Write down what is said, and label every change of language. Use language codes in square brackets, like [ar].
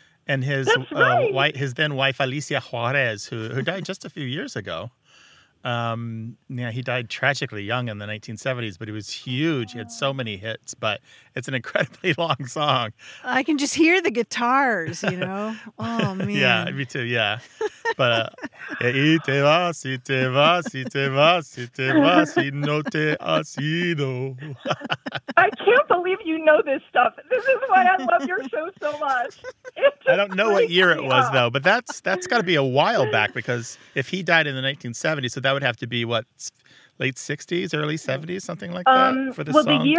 [en] And his wife, his then wife, Alicia Juarez, who died just a few years ago. Yeah, he died tragically young in the 1970s, but he was huge. He had so many hits, but it's an incredibly long song. I can just hear the guitars, you know? Oh, man. Yeah, me too, yeah. [es] But, y te vas, y te vas, y te vas, y te vas, y no te has ido. [en] I can't believe you know this stuff. This is why I love your show so much. I don't know what year it was, though, but that's got to be a while back, because if he died in the 1970s, so that would have to be, what, late 60s, early 70s, something like that, for the song